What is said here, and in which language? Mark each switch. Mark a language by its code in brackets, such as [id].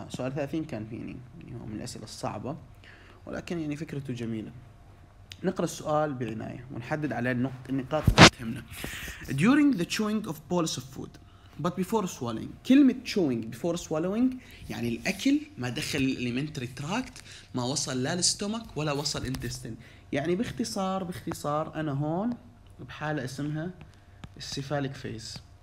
[ar] سؤال 30 كان فيني من الأسئلة الصعبة ولكن يعني فكرته جميلة. نقرأ السؤال بعناية ونحدد على النقاط اللي تهمنا. [en] During the chewing of bowls of food but before swallowing. [ar] كلمة [en] chewing before swallowing [ar] يعني الأكل ما دخل الالمنتري تراكت ما وصل لا الستومك ولا وصل انتستين. يعني باختصار أنا هون بحالة اسمها السيفاليك فيز.